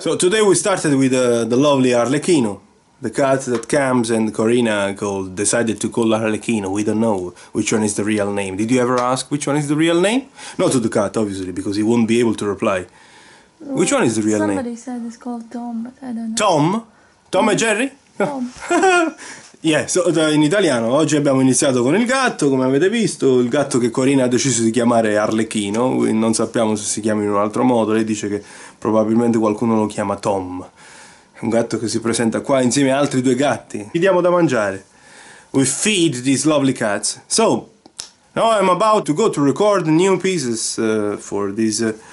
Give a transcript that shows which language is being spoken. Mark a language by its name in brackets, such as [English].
[English] So today we started with the lovely Arlecchino, the cat that comes, and Corina decided to call Arlecchino. We don't know which one is the real name. Did you ever ask which one is the real name? Not to the cat, obviously, because he won't be able to reply. Which one is the real Somebody Somebody said it's called Tom, but I don't know. Tom and Jerry? Tom. [Italian] Yeah, so in italiano, oggi abbiamo iniziato con il gatto, come avete visto, il gatto che Corina ha deciso di chiamare Arlecchino, non sappiamo se si chiama in un altro modo, lei dice che probabilmente qualcuno lo chiama Tom. È un gatto che si presenta qua insieme a altri due gatti. [English] Gli diamo da mangiare. We feed these lovely cats. So, now I'm about to go to record new pieces for this...